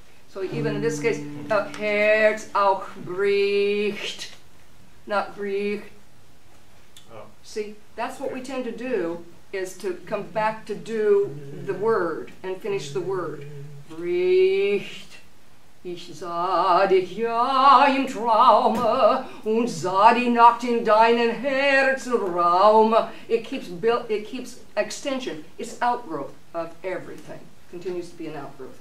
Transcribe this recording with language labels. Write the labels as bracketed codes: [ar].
[en] So even in this case, [de] Herz auch bricht, [en] not bricht. Oh. See, that's what we tend to do, is to come back to do the word and finish the word. [de] Bricht. Ich sah dich ja im Traume und sah die Nacht in deinen Herzraum. [en] It keeps extension. It's outgrowth of everything. Continues to be an outgrowth.